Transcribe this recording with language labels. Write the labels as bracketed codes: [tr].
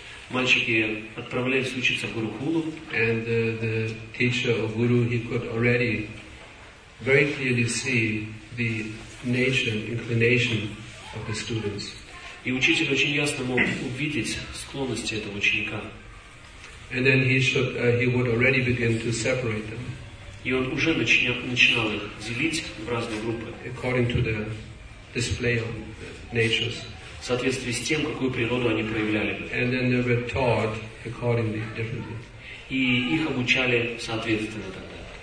[ru] Мальчики отправлялись учиться в Гурукулу. [en] And the teacher of Guru, he could already very clearly see the nature, inclination of the students. [ru] И учитель очень ясно мог увидеть склонности этого ученика. [en] And then he would already begin to separate them. [ru] И он уже начинал их делить в разные группы. [en] According to the display of natures. [ru] В соответствии с тем, какую природу они проявляли. [en] And then they were taught accordingly, differently. [ru] И их обучали соответственно тогда.